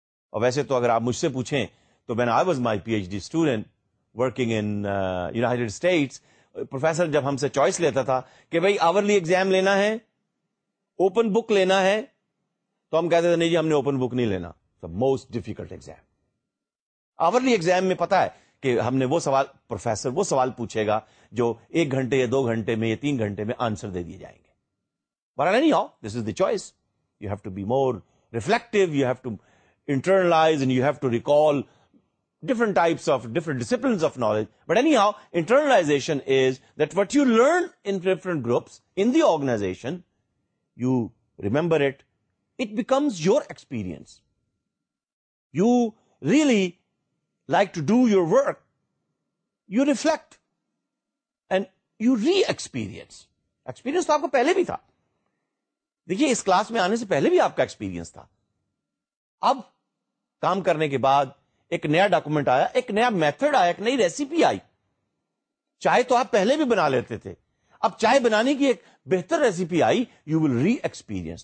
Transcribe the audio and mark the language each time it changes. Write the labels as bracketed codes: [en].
[ur] اور ویسے تو اگر آپ مجھ سے پوچھیں تو [en] when I was my PhD student working in United States, [ur] professor جب ہم سے چوائس لیتا تھا کہ بھائی آورلی ایگزام لینا ہے، اوپن بک لینا ہے، تو ہم کہتے تھے نہیں جی ہم نے اوپن بک نہیں لینا. [en] The most difficult exam. [ur] Hourly exam میں پتا ہے کہ ہم نے وہ سوال، پروفیسر وہ سوال پوچھے گا جو ایک گھنٹے یا دو گھنٹے میں یا تین گھنٹے میں آنسر دے دیے جائیں گے. [en] But anyhow, this is the choice. You have to be more reflective, you have to internalize and you have to recall different types of, different disciplines of knowledge. But anyhow, internalization is that what you learn in different groups, in the organization, you remember it, it becomes your experience. You really like to do your work, you reflect, and you re-experience. [ur] Experience to aapko pehle bhi tha. دیکھیے اس class میں آنے سے پہلے بھی آپ کا experience تھا. اب کام کرنے کے بعد ایک نیا ڈاکومنٹ آیا، ایک نیا میتھڈ آیا، ایک نئی ریسیپی آئی. چائے تو آپ پہلے بھی بنا لیتے تھے، اب چائے بنانے کی ایک بہتر recipe I, [en] You will reexperience.